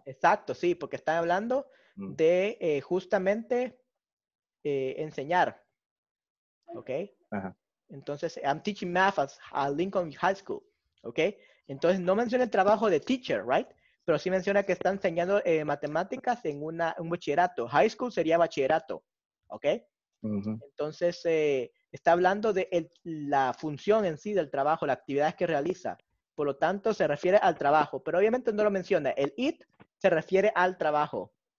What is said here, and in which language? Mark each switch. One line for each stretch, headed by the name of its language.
Spanish: Exacto, sí, porque están hablando de justamente enseñar. Okay. Ajá. Entonces,
English: I'm teaching math at Lincoln High School. Okay.
Spanish: Entonces, no menciona el trabajo de teacher, right? Pero sí menciona que está enseñando matemáticas en un bachillerato. High school sería bachillerato, ¿ok? Uh-huh. Entonces, Está hablando de la función en sí del trabajo, las actividades que realiza. Por lo tanto, se refiere al trabajo. Pero obviamente no lo menciona. El it se refiere al trabajo.